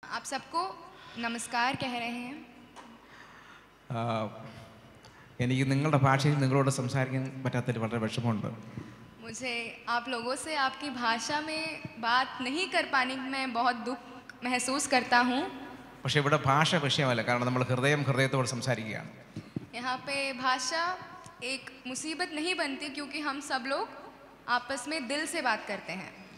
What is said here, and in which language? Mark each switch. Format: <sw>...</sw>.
<hi>आप सबको नमस्कार कह रहे हैं</hi> <ml>എനിക്ക് നിങ്ങളുടെ ഭാഷയിൽ നിങ്ങളോട് സംസാരിക്കാൻ പറ്റാത്തതിൽ വളരെ വിഷമമുണ്ട്</ml> <hi>मुझे आप लोगों से आपकी भाषा में बात नहीं कर पाने में बहुत दुख महसूस करता हूं</hi> <ml>പക്ഷേ ഇവിടെ ഭാഷ വിഷയമല്ല കാരണം നമ്മൾ ഹൃദയം ഹൃദയത്തോട് സംസാരിക്കുകയാണ്</ml> <hi>यहां पे भाषा एक मुसीबत नहीं बनती क्योंकि हम सब लोग आपस में दिल से बात करते हैं</hi>